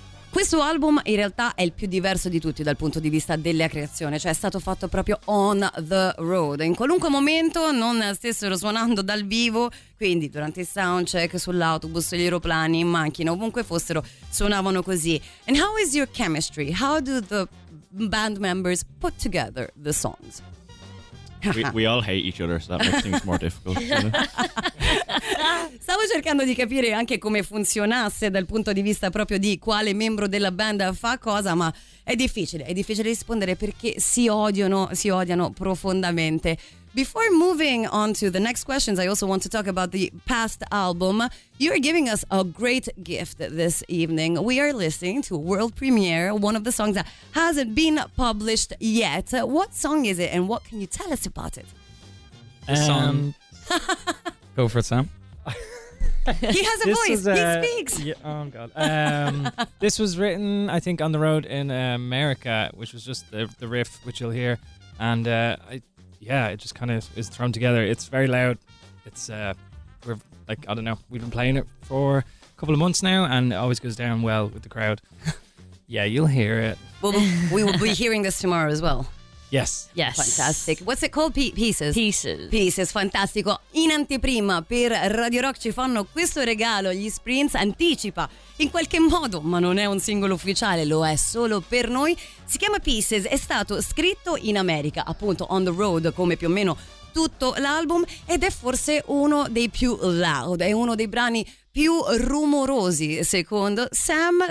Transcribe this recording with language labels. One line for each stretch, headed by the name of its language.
Italian: Questo album in realtà è il più diverso di tutti dal punto di vista della creazione, cioè è stato fatto proprio
English: on the road,
Italian: in qualunque momento non stessero suonando dal vivo, quindi durante il soundcheck, sull'autobus, gli aeroplani, in macchina, ovunque fossero, suonavano così.
English: And how is your chemistry? How do the band members put together the songs? We all hate each other, so that makes things more difficult.
Italian: Stavo cercando di capire anche come funzionasse dal punto di vista proprio di quale membro della band fa cosa, ma è difficile rispondere perché si odiano profondamente.
English: Before moving on to the next questions, I also want to talk about the past album. You're giving us a great gift this evening. We are listening to World Premiere, one of the songs that hasn't been published yet. What song is it and what can you tell us about it? Go for it, Sam. He has a voice. He speaks. Yeah, oh, God. this was written, I think, on the road in America, which was just the riff, which you'll hear. And it just kind of is thrown together. It's very loud. It's, we've been playing it for a couple of months now, and it always goes down well with the crowd. Yeah, you'll hear it. We will be hearing this tomorrow as well. Yes. Yes. Fantastic. What's it called? Pieces. Pieces.
Italian: Pieces. Fantastico. In anteprima per Radio Rock ci fanno questo regalo. Gli Sprints anticipa in qualche modo, ma non è un singolo ufficiale, lo è solo per noi. Si chiama Pieces, è stato scritto in America, appunto
English: on the road,
Italian: come più o meno tutto l'album, ed è forse uno dei più loud, è uno dei brani più rumorosi secondo Sam.